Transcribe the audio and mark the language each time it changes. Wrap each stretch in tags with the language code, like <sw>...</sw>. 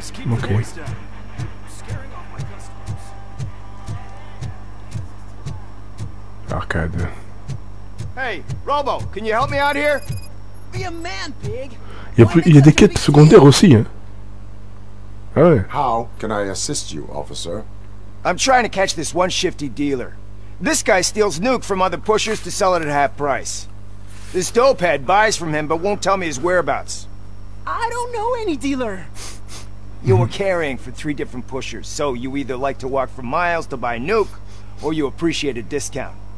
<en>Ok. Arcade. Hey, Robo, can you help me out here? Be a man, pig.</en> <fr>Il y a des quêtes secondaires aussi, hein.</fr> <en>How can I assist you, officer? I'm trying to catch this one shifty dealer. This guy steals nuke from other pushers to sell it at half price. This dopehead buys from him but won't tell me his whereabouts. I don't know any dealer. You were carrying for three different pushers, so you either like to walk for miles to buy nuke, or you appreciate a discount.</en>